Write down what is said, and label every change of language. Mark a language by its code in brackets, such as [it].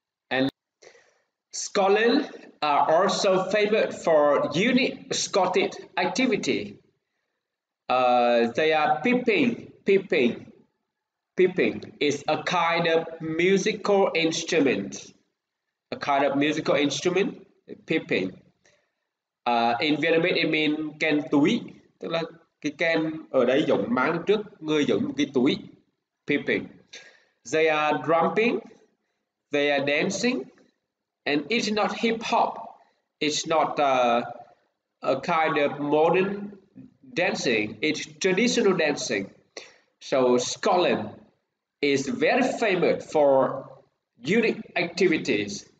[en] And Scotland are also favored for unique Scottish activity. They are piping is a kind of musical instrument. A kind of musical instrument, piping. In Vietnamese, it means [vi] can túi, tức là cái can ở đây giống máng trước người giống cái túi, piping. [en] They are drumming, they are dancing, and it's not hip hop. It's not a kind of modern dancing. It's traditional dancing. So Scotland is very famous for unique activities.